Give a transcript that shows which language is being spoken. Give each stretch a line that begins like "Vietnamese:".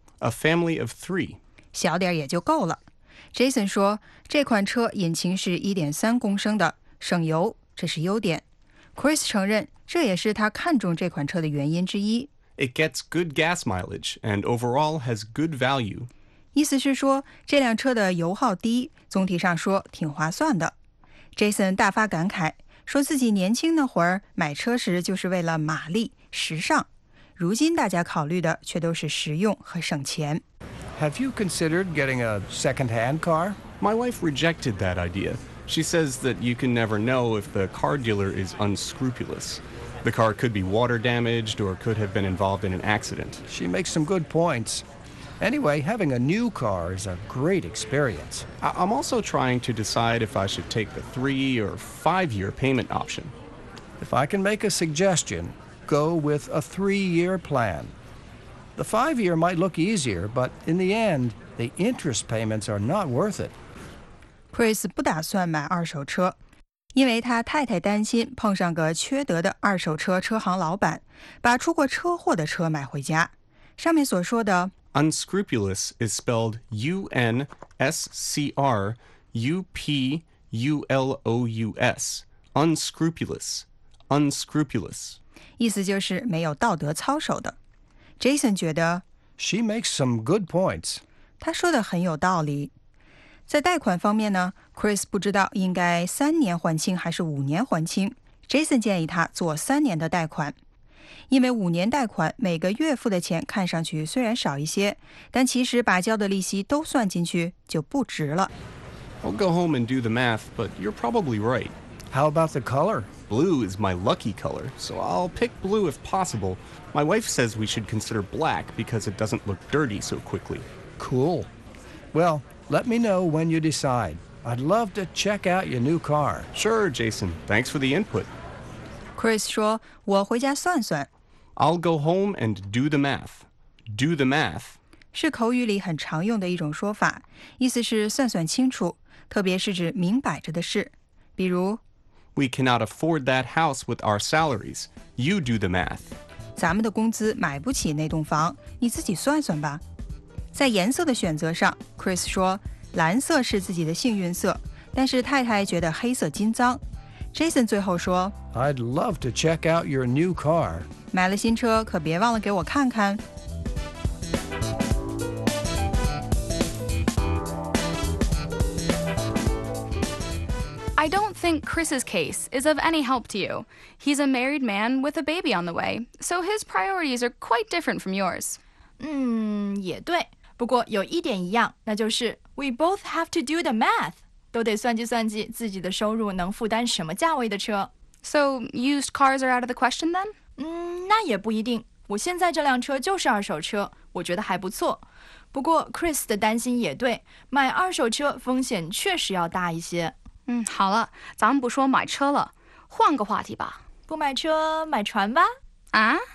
English: A family of three.
Chinese: 小点也就够了。Jason 说，这款车引擎是 1.3 公升的，省油，这是优点。 Chris 承认，这也是他看中这款车的原因之一。
English: It gets good gas mileage and overall has good value.
Chinese: 意思是说，这辆车的油耗低，总体上说挺划算的。 Jason 大发感慨，说自己年轻那会儿买车时就是为了马力、时尚，如今大家考虑的却都是实用和省钱。
English: Have you considered getting a second-hand car? My wife rejected that idea. She says that you can never know if the car dealer is unscrupulous. The car could be water damaged or could have been involved in an accident. She makes some good points. Anyway, having a new car is a great experience. I'm also trying to decide if I should take the 3 or 5 year payment option. If I can make a suggestion, go with a 3 year plan. The 5 year might look easier, but in the end, the interest payments are not worth it.
Chinese: Chris 不打算买二手车，因为他太太担心碰上个缺德的二手车车行老板，把出过车祸的车买回家。上面所说的
English: unscrupulous is spelled UNSCRUPULOUS. Unscrupulous, unscrupulous.
Chinese: 意思就是没有道德操守的。 Jason 觉得
English: She makes some good points.
Chinese: 他说的很有道理。在贷款方面呢 ,Chris 不知道应该三年还清还是五年还清。 Jason 建议他做三年的贷款。因为五年贷款每个月付的钱看上去虽然少一些但其实把交的利息都算进去就不值了。
English: I'll go home and do the math, but you're probably right. How about the color? Blue is my lucky color, so I'll pick blue if possible. My wife says we should consider black because it doesn't look dirty so quickly. Cool. Well, let me know when you decide. I'd love to check out your new car. Sure, Jason. Thanks for the input.
Chinese: Chris 说我回家算算。
English: I'll go home and do the math. Do the math.
Chinese: 是口语里很常用的一种说法意思是算算清楚特别是指明摆着的事。比如
English: We cannot afford that house with our salaries. You do the math.
Chinese: 咱们的工资买不起那栋房你自己算算吧。在颜色的选择上 Chris 说蓝色是自己的幸运色但是太太觉得黑色金脏。 Jason 最后说
English: I'd love to check out your new car.
Chinese: 买了新车可别忘了给我看看。
English: I don't think Chris's case is of any help to you. He's a married man with a baby on the way, so his priorities are quite different from yours.
Chinese: 也对。不过有一点一样那就是
English: we both have to do the math.
Chinese: 都得算计算计自己的收入能负担什么价位的车。
English: So, used cars are out of the question then?
Chinese: 那也不一定。我现在这辆车就是二手车，我觉得还不错。不过 Chris 的担心也对，买二手车风险确实要大一些。好了，咱们不说买车了，换个话题吧。不买车，买船吧。啊？